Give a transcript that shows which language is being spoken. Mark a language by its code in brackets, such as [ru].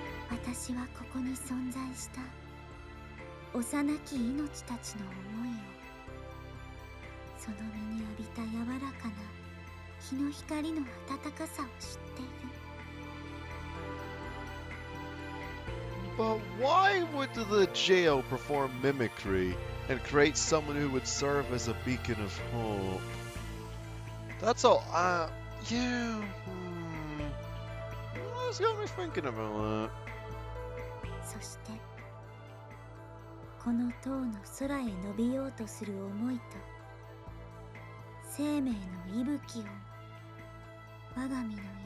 [ja] 私はここに存在した幼き命たちの思いを、その身に浴びた柔らかな日の光の温かさを知っている。 [en] But why would the jail perform mimicry and create someone who would serve as a beacon of hope? That's all That's got me thinking about that. [ja] そしてこの塔の空へ伸びようとする思いと生命の息吹を我が身のように。